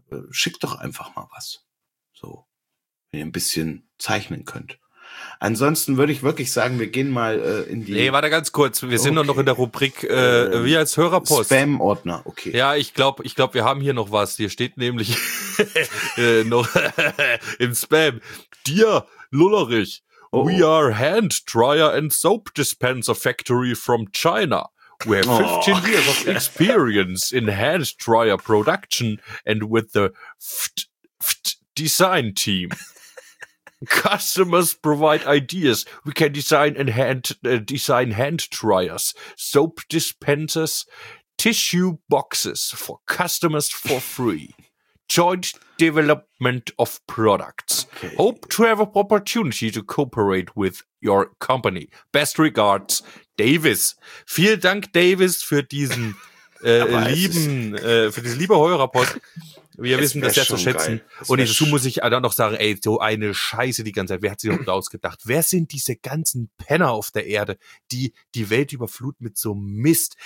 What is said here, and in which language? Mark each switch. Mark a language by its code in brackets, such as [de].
[de] Schickt doch einfach mal was. So, wenn ihr ein bisschen zeichnen könnt. Ansonsten würde ich wirklich sagen, wir gehen mal in die... Nee, warte ganz kurz. Wir sind doch noch in der Rubrik wir als Hörerpost. Spam-Ordner, okay. Ja, ich glaube, wir haben hier noch was. Hier steht nämlich noch im Spam. [en] Dear Lullerich, we are hand dryer and soap dispenser factory from China. We have 15 years of experience in hand dryer production and with the FT design team. Customers provide ideas. We can design and design hand dryers, soap dispensers, tissue boxes for customers for free. Joint development of products. Okay. Hope to have an opportunity to cooperate with your company. Best regards, Davis. [de] Vielen Dank, Davis, für diesen lieben, für diesen liebe Heurerpost. Wir wissen das sehr zu schätzen. Und dazu muss ich dann noch sagen, ey, so eine Scheiße die ganze Zeit. Wer hat sich überhaupt ausgedacht? Wer sind diese ganzen Penner auf der Erde, die die Welt überfluten mit so Mist?